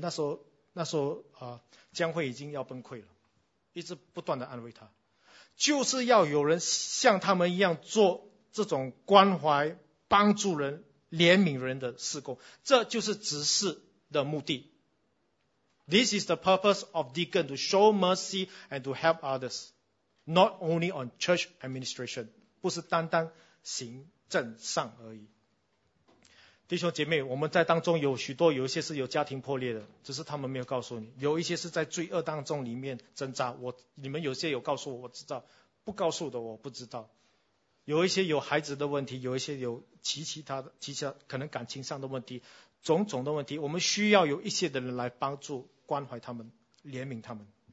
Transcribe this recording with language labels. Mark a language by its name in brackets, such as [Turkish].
[Chinese] 那时候江慧已经要崩溃了，一直不断的安慰他。就是要有人像他们一样做这种关怀、帮助人、怜悯人的事工，这就是执事的目的。 [English] This is the purpose of deacon, to show mercy and to help others, not only on church administration, [Chinese] 不是单单行政上而已。弟兄姐妹，我们在当中有许多，有一些是有家庭破裂的，只是他们没有告诉你，有一些是在罪恶当中里面挣扎，你们有些有告诉我，我知道，不告诉的我不知道。有一些有孩子的问题，有一些有其他可能感情上的问题，种种的问题，我们需要有一些的人来帮助关怀他们，怜悯他们。